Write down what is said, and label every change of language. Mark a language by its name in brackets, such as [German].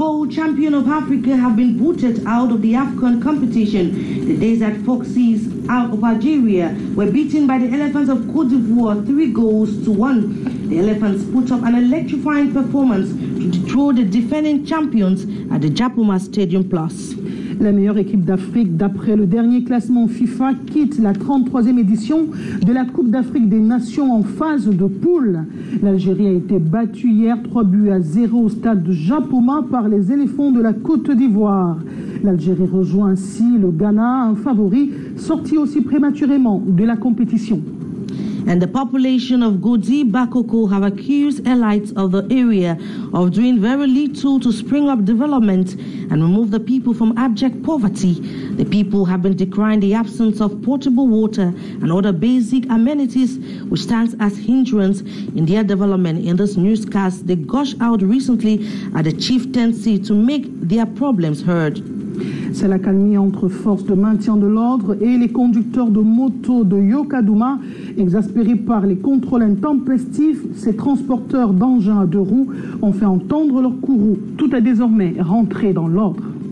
[English] Champion of Africa have been booted out of the AFCON competition. The Desert Foxes out of Algeria were beaten by the Elephants of Cote d'Ivoire 3-1. The Elephants put up an electrifying performance to dethrone the defending champions at the Japoma Stadium Plus. [French] La meilleure équipe d'Afrique, d'après le dernier classement FIFA, quitte la 33e édition de la Coupe d'Afrique des Nations en phase de poule. L'Algérie a été battue hier 3-0 au stade de Japoma par les éléphants de la Côte d'Ivoire. L'Algérie rejoint ainsi le Ghana, un favori sorti aussi prématurément de la compétition. [English] And the population of Godi Bakoko have accused elites of the area of doing very little to spring up development and remove the people from abject poverty. The people have been decrying the absence of portable water and other basic amenities, which stands as hindrance in their development. In this newscast, they gushed out recently at the chieftaincy to make their problems heard. [French] C'est la calmie entre forces de maintien de l'ordre et les conducteurs de motos de Yokadouma. Exaspérés par les contrôles intempestifs, ces transporteurs d'engins à deux roues ont fait entendre leur courroux. Tout est désormais rentré dans l'ordre.